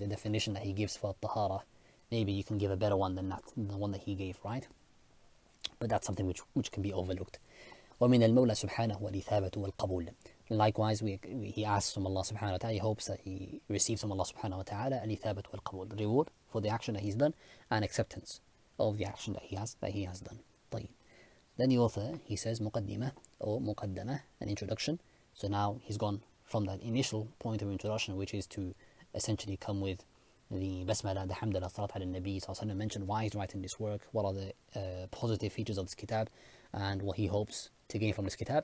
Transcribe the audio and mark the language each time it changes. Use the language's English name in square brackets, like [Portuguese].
[English] The definition that he gives for الطهارة, maybe you can give a better one than that, the one that he gave, right? But that's something which can be overlooked. [Arabic] ومن المولى سبحانه والإثابة والقبول. [English] Likewise, he asks from Allah subhanahu wa ta'ala, he hopes that he receives from Allah subhanahu wa ta'ala al-ithabat wal-qabul, reward for the action that he's done and acceptance of the action that he has done. [Arabic] طيب. [English] Then the author, he says muqaddimah or muqaddamah, an introduction. So now he's gone from that initial point of introduction, which is to essentially come with the basmala, the hamdala, salat ala nabi, sallallahu mentioned why he's writing this work, what are the positive features of this kitab, and what he hopes to gain from this kitab.